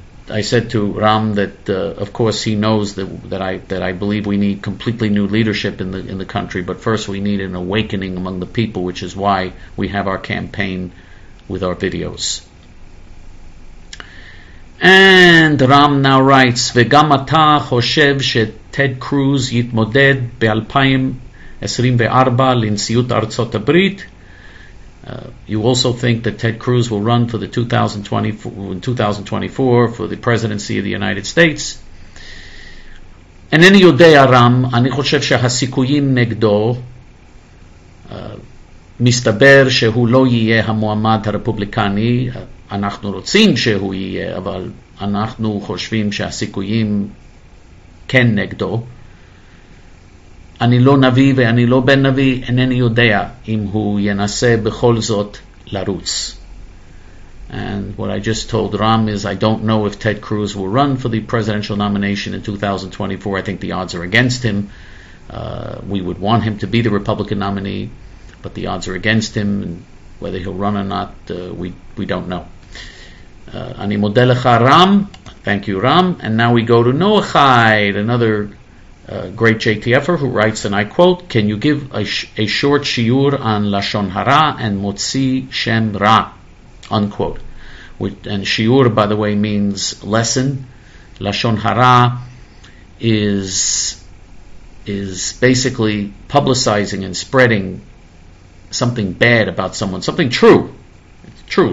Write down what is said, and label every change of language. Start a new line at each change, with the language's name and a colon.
English: I said to Ram that of course he knows that I believe we need completely new leadership in the country, but first we need an awakening among the people, which is why we have our campaign with our videos. And Ram now writes,
Hebrew: וגם אתה חושב שטד קרוז יתמודד ב-2024 לנשיאות ארצות הברית?
English: You also think that Ted Cruz will run for the 2024 for the presidency of the United States?
Hebrew: אינני יודע, רם, אני חושב שהסיכויים נגדו, מסתבר שהוא לא יהיה המועמד הרפובליקני. אנחנו רוצים שהוא יהיה, אבל אנחנו חושבים שהסיכויים כן נגדו. אני לא נביא ואני לא בן נביא, אינני יודע אם הוא ינסה בכל זאת לרוץ.
English: And what I just told Ram is, I don't know if Ted Cruz will run for the presidential nomination in 2024. I think the odds are against him. We would want him to be the Republican nominee, but the odds are against him, and whether he'll run or not, we don't know.
Hebrew: אני מודה לך, Ram.
English: Thank you, Ram. And now we go to Noah Hyde, another great JTFer, who writes, and I quote, can you give a short shiur on Lashon Hara and Motzi Shem Ra? Unquote. And shiur, by the way, means lesson. Lashon Hara is basically publicizing and spreading something bad about someone, something true. It's true.